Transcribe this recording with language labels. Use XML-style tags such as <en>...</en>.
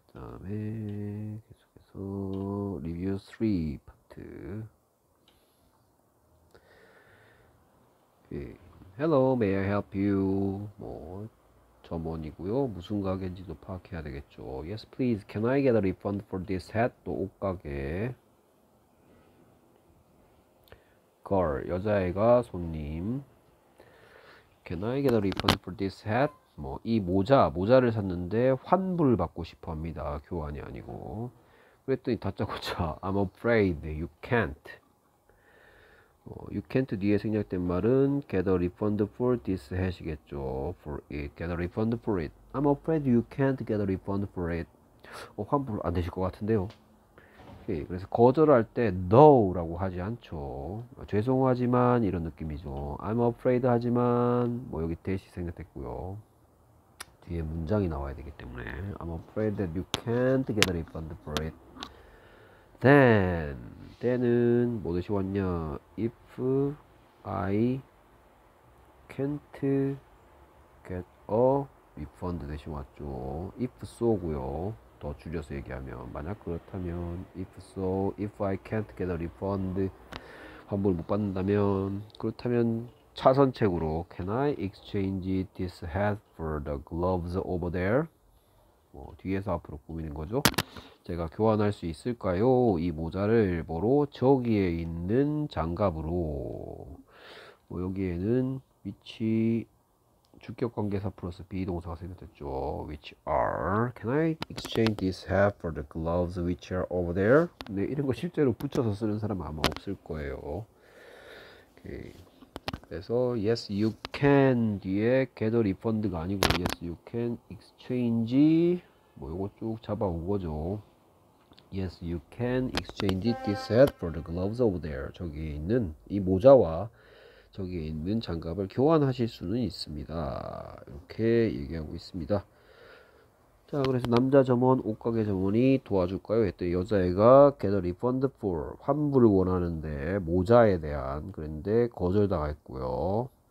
<ko>그다음에 계속해서 리뷰 3 파트.</ko> <en>Hello, may I help you?</en> <ko>뭐 점원이고요. 무슨 가게인지도 파악해야 되겠죠.</ko> <en>Yes, please. Can I get a refund for this hat?</en> <ko>또옷 가게. Girl, 여자애가 손님.</ko> <en>Can I get a refund for this hat?</en> <ko>뭐이 모자를 샀는데 환불 받고 싶어 합니다. 교환이 아니고. 그랬더니 다짜고짜</ko> <en>I'm afraid you can't. You can't</en> <ko>뒤에 생략된 말은</ko> <en>get a refund for this hat이겠죠. For it, get a refund for it. I'm afraid you can't get a refund for it.</en> <ko>환불 안 되실 것 같은데요. Okay, 그래서 거절할 때 no라고 하지 않죠. 죄송하지만 이런 느낌이죠.</ko> <en>I'm afraid</en> <ko>하지만 뭐 여기 대시 생략됐고요. 뒤에 문장이 나와야 되기 때문에</ko> <en>I'm afraid that you can't get a refund for it. Then은</en> <ko>뭐 뜻이 왔냐?</ko> <en>If I can't get a refund</en> <ko>대신 왔죠.</ko> <en>If so고요.</en> <ko>더 줄여서 얘기하면 만약 그렇다면</ko> <en>if so, if I can't get a refund</en> <ko>환불 못 받는다면 그렇다면 차선책으로</ko> <en>can I exchange this hat for the gloves over there?</en> <ko>뭐 뒤에서 앞으로 꾸미는 거죠. 제가 교환할 수 있을까요? 이 모자를 뭐로? 저기에 있는 장갑으로. 뭐 여기에는 which 주격 관계사 플러스 be 동사가 생겼죠.</ko> <en>Which are? Can I exchange this hat for the gloves which are over there?</en> <ko>네, 이런 거 실제로 붙여서 쓰는 사람 아마 없을 거예요.</ko> <en>오케이. 그래서 yes you can 뒤에 get a refund가 아니고 yes you can exchange</en> <ko>뭐 요거 쭉 잡아온 거죠.</ko> <en>Yes, you can exchange this hat for the gloves over there.</en> <ko>저기에 있는 이 모자와 저기에 있는 장갑을 교환하실 수는 있습니다. 이렇게 얘기하고 있습니다. 자, 자, 그래서 남자 점원, 옷가게 점원이 도와줄까요? 했더니 여자애가</ko> <en>get a refund for</en> <ko>환불을 원하는데 모자에 대한 그런데 거절당했고요.</ko>